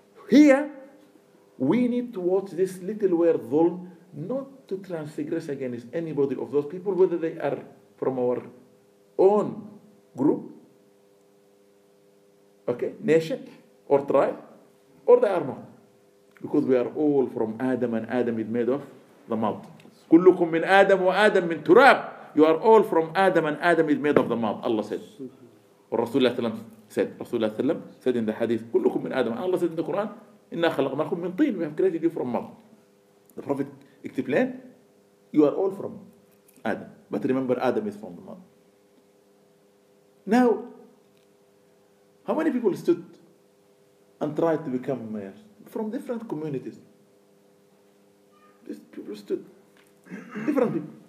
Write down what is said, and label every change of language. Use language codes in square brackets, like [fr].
[en] Here, we need to watch this little word, dhulm, not to transgress against anybody of those people, whether they are from our own group, okay, nation, or tribe, or they are not. Because we are all from Adam, and Adam is made of the mud. [ar] كلكم من آدم وآدم من تراب. [en] You are all from Adam, and Adam is made of the mud. Allah said. Rasulullah said in the hadith, [ar] كلكم من آدم. [en] Allah said in the Quran, [ar] إنا خلقناكم من طين. [en] We have created you from mud. The Prophet explained, you are all from Adam. But remember, Adam is from the mud. Now, how many people stood and tried to become mayors from different communities? These people stood. Different people.